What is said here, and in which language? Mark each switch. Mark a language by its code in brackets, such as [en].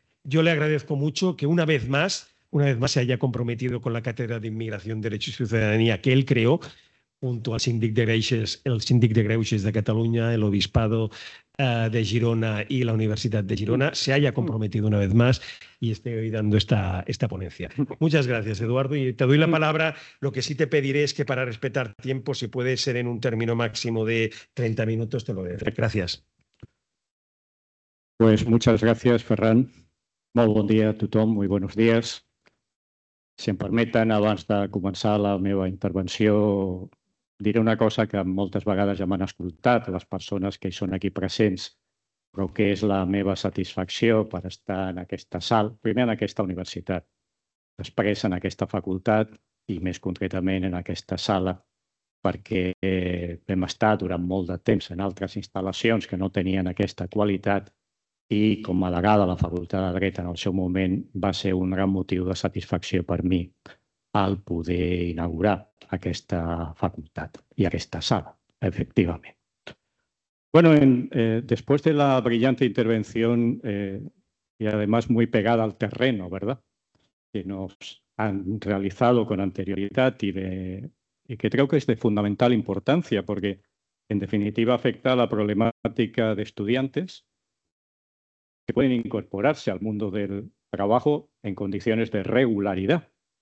[es] Yo le agradezco mucho que una vez más se haya comprometido con la Cátedra de Inmigración, Derecho y Ciudadanía que él creó, junto al síndic de Greuges de Cataluña, el Obispado de Girona y la Universidad de Girona, se haya comprometido una vez más y esté hoy dando esta ponencia. Muchas gracias, Eduardo, y te doy la palabra. Lo que sí te pediré es que, para respetar tiempo, si puede ser en un término máximo de 30 minutos, te lo dejo. Gracias. Pues muchas gracias, Ferran. [ca] Molt bon dia a tothom, [es] muy buenos días. [ca] Si em permeten, abans de començar la meva intervenció, diré una cosa que moltes vegades ja m'han escoltat les persones que hi són aquí presents, però que és la meva satisfacció per estar en aquesta sala, primer en aquesta universitat, després en aquesta facultat i més concretament en aquesta sala, perquè vam estar durant molt de temps en altres instal·lacions que no tenien aquesta qualitat i com a degà de la Facultat de Dret en el seu moment va ser un gran motiu de satisfacció per mi al poder inaugurar aquesta facultat i aquesta sala, efectivament. [es] Bueno, después de la brillante intervención y además muy pegada al terreno, ¿verdad?, que nos han realizado con anterioridad y que creo que es de fundamental importancia porque, en definitiva, afecta a la problemática de estudiantes que pueden incorporarse al mundo del trabajo en condiciones de regularidad.